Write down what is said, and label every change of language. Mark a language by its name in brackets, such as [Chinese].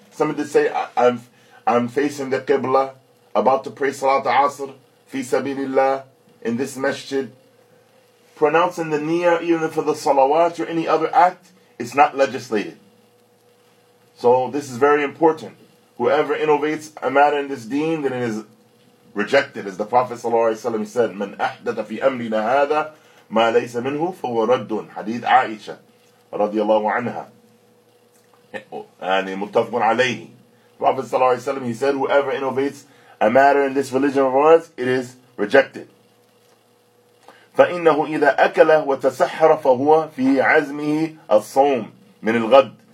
[English] Somebody say, I'm facing the Qibla, about to pray Salat Asr, fi sabilillah, in this masjid. Pronouncing the niyyah, even for the salawat or any other act, is not legislated. So this is very important. Whoever innovates a matter in this deen, then it is rejected. As the Prophet ﷺ said, [Arabic] من أحدث في أمرنا هذا ما ليس منه فهو رد. Hadith Aisha رضي الله عنها. And متفق عليه. [English] Prophet ﷺ, he said, whoever innovates a matter in this religion of ours, it is rejected. [Arabic] فإنه إذا أكل وتسحر فهو في عزمه الصوم من الغد.